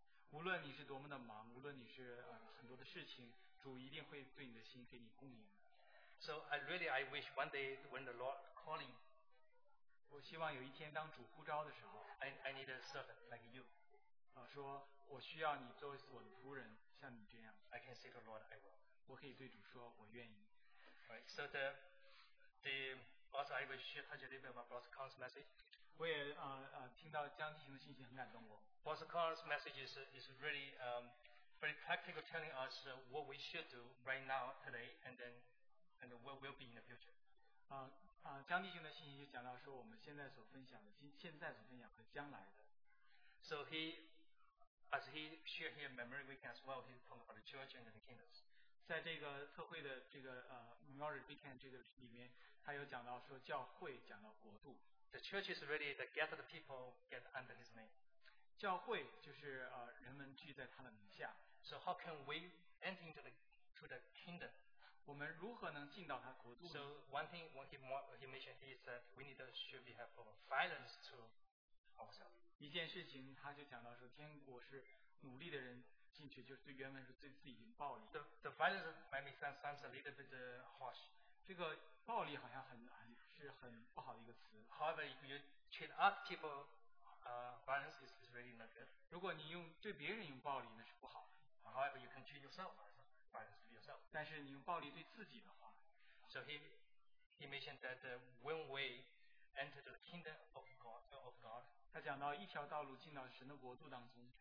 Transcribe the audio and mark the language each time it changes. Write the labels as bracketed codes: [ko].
[zh] 无论你是多么的忙，无论你是很多的事情，主一定会对你的心给你供应。 [en] So I wish one day when the Lord calling, [zh] 我希望有一天当主呼召的时候 [en] ，I need a servant like you. [zh] 说我需要你作为我的仆人，像你这样。 [en] I can say to Lord, I will. [zh] 我可以对主说，我愿意。 [en] Right, so the also I will share a little bit about Boss Khan's message. [zh] 我也听到江婷的信息很感动我。 [en] Boss Khan's message is really very practical, telling us what we should do right now today, and what will be in the future. [zh] 江婷的信息就讲到说我们现在所分享的，现在所分享和将来的。 [en] So he. As he shared his memory weekend as well, he talked about the church and the kingdoms. [zh] 在这个特会的这个 [en] memory weekend [zh] 这个里面，他有讲到说教会，讲到国度。 [en] The church is really the gathered people get under his name. [zh] 教会就是人们聚在他的名下。 [en] So how can we enter into the kingdom? [zh] 我们如何能进到他国度 [en] ？So one thing when he mentioned is that we need to should be have violence to ourselves. [zh] 一件事情他就讲到说天国是努力的人进去就是对原文是对自己暴力 [en] the violence might be sounds a little bit harsh [zh] 这个暴力好像很不好的一个词 [en] however if you treat other people violence is really not good [zh] 如果你用对别人用暴力那是不好的 [en] however you can treat yourself violence to yourself [zh] 但是你用暴力对自己的话 [en] so he mentioned that when we enter the kingdom of God [zh] 他讲到一条道路进到神的国度当中